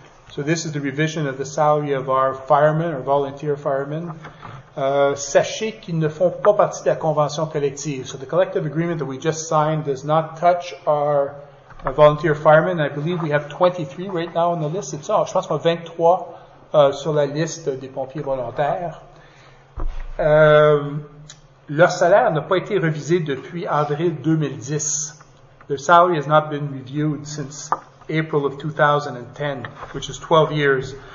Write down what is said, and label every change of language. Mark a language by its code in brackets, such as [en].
[en] So this is the revision of the salary of our firemen, our volunteer firemen. [fr] Sachez qu'ils ne font pas partie de la convention collective. [en] So the collective agreement that we just signed does not touch our volunteer firemen. I believe we have 23 right now on the list. It's all. [fr] Je pense qu'on a 23 sur la liste des pompiers volontaires. Leur salaire n'a pas été revisé depuis avril 2010. [en] Their salary has not been reviewed since April of 2010, which is 12 years.